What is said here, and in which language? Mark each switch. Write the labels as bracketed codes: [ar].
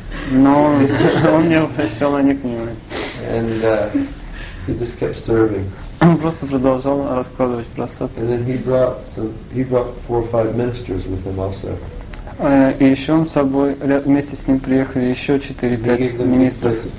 [ru] Но он не обращал на них внимания. [en] And He just kept serving. [ru] Он просто продолжал раскладывать просад. [en] And then he brought 4 or 5 ministers with him also. [ru] И еще он с собой вместе с ним приехали еще 4-5 министров.